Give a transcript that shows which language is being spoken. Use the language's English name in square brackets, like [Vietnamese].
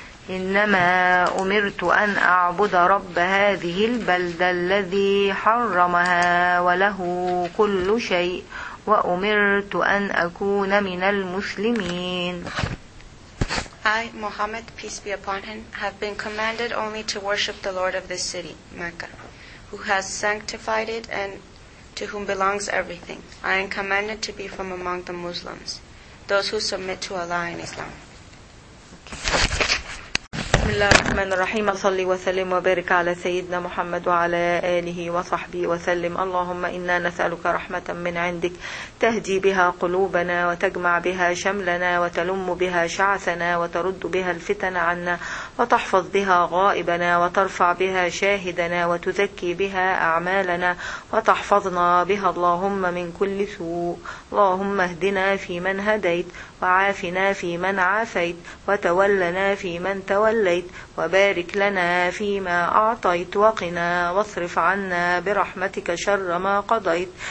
[Arabic] إنما أمرت أن أعبد رب هذه البلدة الذي حرمها وله كل شيء وأمرت أن أكون من المسلمين. [English] I, Muhammad, peace be upon him, have been commanded only to worship the Lord of this city, Mecca, who has sanctified it and to whom belongs everything. I am commanded to be from among the Muslims, those who submit to Allah in Islam. [Arabic] بسم الله الرحمن الرحيم صلي وسلم وبارك على سيدنا محمد وعلى آله وصحبه وسلم اللهم إنا نسألك رحمة من عندك تهدي بها قلوبنا وتجمع بها شملنا وتلم بها شعثنا وترد بها الفتن عنا وتحفظ بها غائبنا وترفع بها شاهدنا وتزكي بها أعمالنا وتحفظنا بها اللهم من كل سوء اللهم اهدنا في من هديت وعافنا في من عافيت وتولنا في من توليت وبارك لنا فيما أعطيت وقنا واصرف عنا برحمتك شر ما قضيت